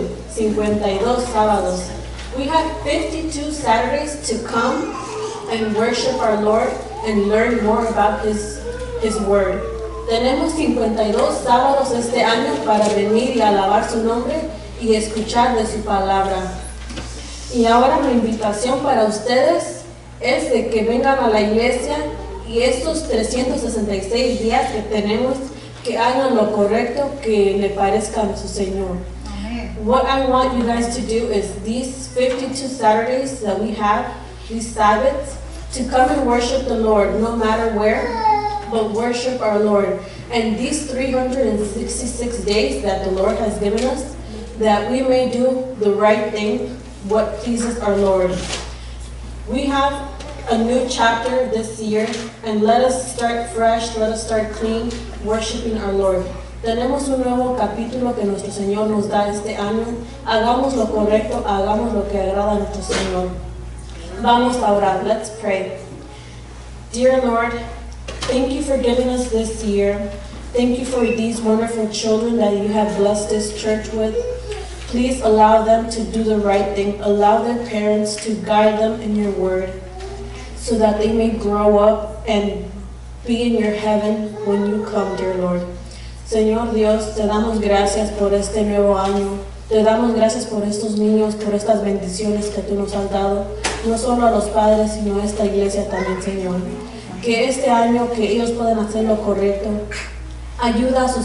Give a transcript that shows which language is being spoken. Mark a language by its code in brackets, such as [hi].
[es] 52 sábados. [en] We have 52 Saturdays to come and worship our Lord and learn more about his word. [es] Tenemos 52 sábados este año para venir y alabar su nombre y escuchar de su palabra. Y ahora mi invitación para ustedes es de que vengan a la iglesia y estos 366 días que tenemos, que hagan lo correcto que le parezca a su Señor. [en] What I want you guys to do is these 52 Saturdays that we have, these Sabbaths, to come and worship the Lord, no matter where, but worship our Lord. And these 366 days that the Lord has given us, that we may do the right thing, what pleases our Lord. We have a new chapter this year, and let us start fresh, let us start clean, worshiping our Lord. [es] Tenemos un nuevo capítulo que nuestro Señor nos da este año. Hagamos lo correcto, hagamos lo que agrada a nuestro Señor. Vamos a orar. [en] Let's pray. Dear Lord, thank you for giving us this year. Thank you for these wonderful children that you have blessed this church with. Please allow them to do the right thing. Allow their parents to guide them in your word so that they may grow up and be in your heaven when you come, dear Lord. [es] Señor Dios, te damos gracias por este nuevo año. Te damos gracias por estos niños, por estas bendiciones que tú nos has dado, no solo a los padres, sino a esta iglesia también, Señor. Que este año, que ellos puedan hacer lo correcto, ayuda a sus